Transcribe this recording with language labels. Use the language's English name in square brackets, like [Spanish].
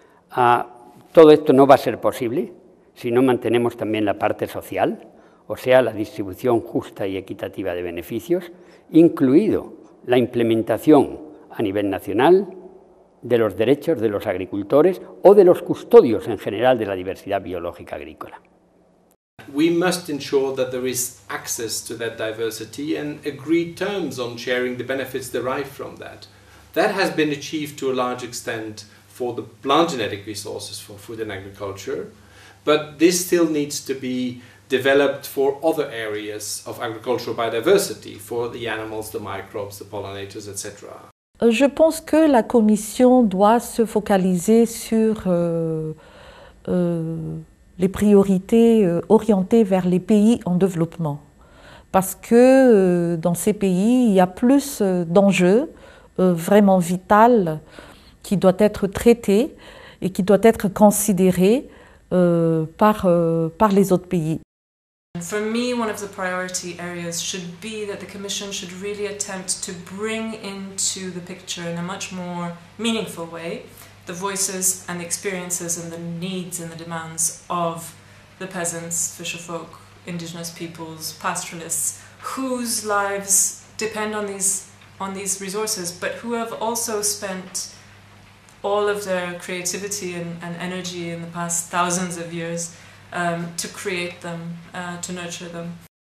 [Spanish] Todo esto no va a ser posible si no mantenemos también la parte social, o sea, la distribución justa y equitativa de beneficios, incluido la implementación a nivel nacional de los derechos de los agricultores o de los custodios en general de la diversidad biológica agrícola. [English] We must ensure that there is access to that diversity and agreed terms on sharing the benefits derived from that. That has been achieved to a large extent for the plant genetic resources for food and agriculture, but this still needs to be developed for other areas of agricultural biodiversity, for the animals, the microbes, the pollinators, etc. [French] Je pense que la Commission doit se focaliser sur les priorités orientées vers les pays en développement. Parce que dans ces pays, il y a plus d'enjeux vraiment vitaux qui doivent être traités et qui doivent être considérés par les autres pays. [English] For me, one of the priority areas should be that the Commission should really attempt to bring into the picture in a much more meaningful way the voices and the experiences and the needs and the demands of the peasants, fisherfolk, indigenous peoples, pastoralists, whose lives depend on these resources, but who have also spent all of their creativity and energy in the past thousands of years to create them, to nurture them.